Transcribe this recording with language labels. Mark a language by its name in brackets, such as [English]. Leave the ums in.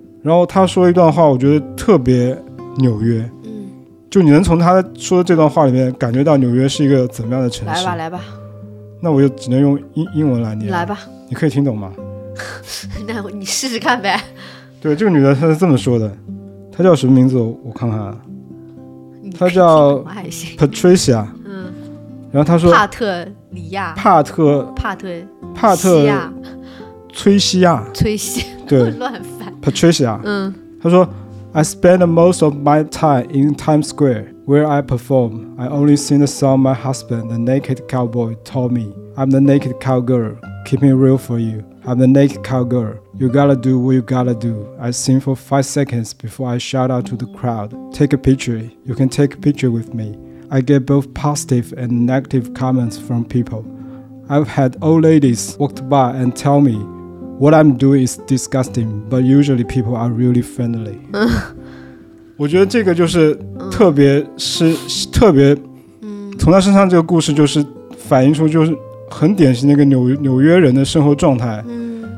[Chinese] 然后他说一段话，我觉得特别纽约。就你能从他说的这段话里面感觉到纽约是一个怎么样的城市？来吧，来吧。那我就只能用英英文来念。来吧，你可以听懂吗？那你试试看呗。对，这个女的她是这么说的，她叫什么名字？我看看、啊，她叫 p a t r i c i a 嗯。然后她说，帕特里亚，帕特，帕特，帕特西亚，崔西亚，崔西，对， 乱翻，Patricia。 嗯，她说。 [English] I spend most of my time in Times Square, where I perform. I only sing the song my husband, the naked cowboy, told me. I'm the naked cowgirl, keeping real for you. I'm the naked cowgirl. You gotta do what you gotta do. I sing for five seconds before I shout out to the crowd. Take a picture. You can take a picture with me. I get both positive and negative comments from people. I've had old ladies walk by and tell me, What I'm doing is disgusting, but usually people are really friendly.、 [Chinese] 嗯、我觉得这个就是，特别是、嗯、特别，从他身上这个故事就是反映出就是很典型的一个纽纽约人的生活状态、嗯。